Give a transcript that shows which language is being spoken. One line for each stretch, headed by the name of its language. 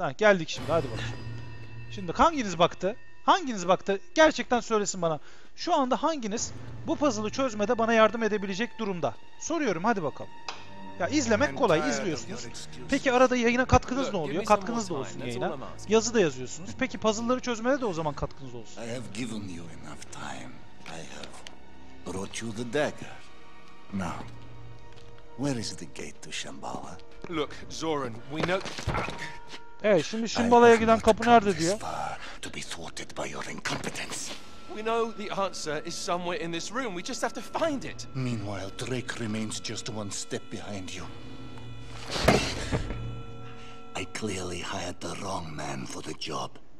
Turkish: Ha, geldik şimdi. Hadi bakalım. Şimdi hanginiz baktı? Hanginiz baktı? Gerçekten söylesin bana. Şu anda hanginiz bu puzzle'ı çözmede bana yardım edebilecek durumda? Soruyorum. Hadi bakalım. Ya izlemek kolay, izliyorsunuz. Peki arada yayına katkınız ne oluyor? Katkınız da olsun yayına. Yazı da yazıyorsunuz. Peki puzzle'ları çözmede de o zaman katkınız olsun.
English: I have given you enough time. I have brought you the dagger. Now, where is the gate to Shambhala? Look, Zoran, we know...
Turkish: Evet, şimdi Shambhala'ya giden kapı nerede diyor.
English: To be thwarted by your incompetence. We know the answer is somewhere in this room. We just have to find it. Meanwhile, Drake remains just one step behind you. I clearly hired the wrong man for the job.